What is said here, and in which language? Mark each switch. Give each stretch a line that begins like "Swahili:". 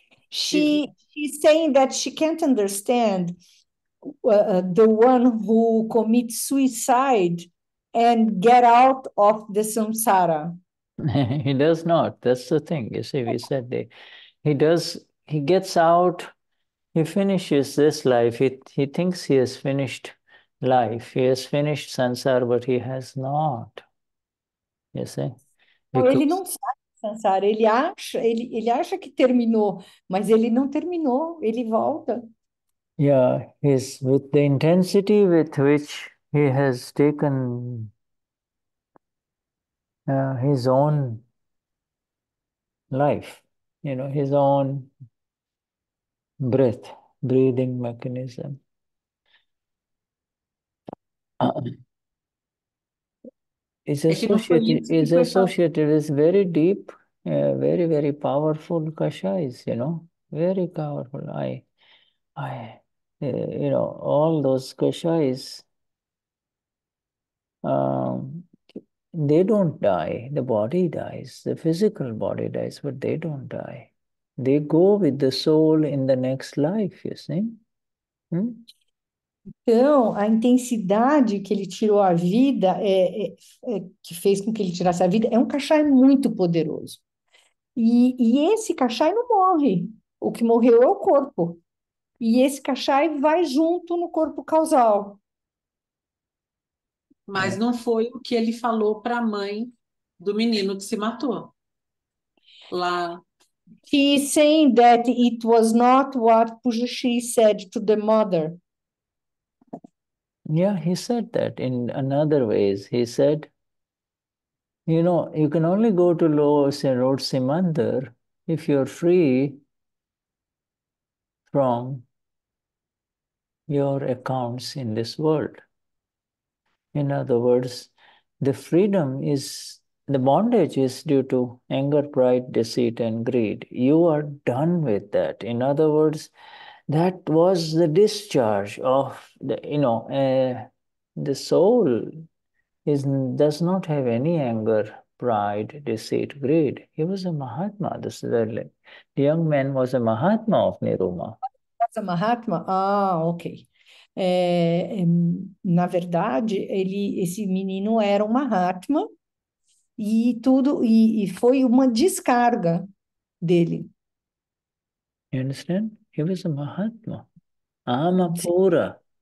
English: She's saying that she can't understand the one who commits suicide and get out of the samsara. He does not. That's the thing. You see, we said that he does. He gets out. He finishes this life. He thinks he has finished life. He has finished samsara, but he has not. You see? Because...
Portuguese: Ele não sabe samsara. Ele acha que terminou, mas ele não terminou. Ele volta.
English: Yeah, he's with the intensity with which he has taken. His own life, you know, his own breathing mechanism. It's associated with very deep, very, very powerful kashais, you know, very powerful. You know, all those kashais, they don't die. The body dies. The physical body dies, but they don't die. They go with the soul in the next life, you see?
Portuguese: Então, a intensidade que ele tirou a vida, que fez com que ele tirasse a vida, é um cachai muito poderoso. E esse cachai não morre. O que morreu é o corpo. E esse cachai vai junto no corpo causal. Mas não foi o que ele falou para a mãe do menino que se matou. Lá.
English: He's saying that it was not what Pujashree said to the mother. Yeah, he said that in another ways. He said, you know, you can only go to lower Simandar if you're free from your accounts in this world. In other words, the freedom is, the bondage is due to anger, pride, deceit, and greed. You are done with that. In other words, that was the discharge of, the, you know, The soul does not have any anger, pride, deceit, greed. He was a Mahatma. This is the young man was a Mahatma of Niruma. That's a Mahatma? Ah, ok.
Portuguese: Na verdade, esse menino era um Mahatma e tudo e foi uma descarga dele.
English: You understand? He was a Mahatma. Amapura.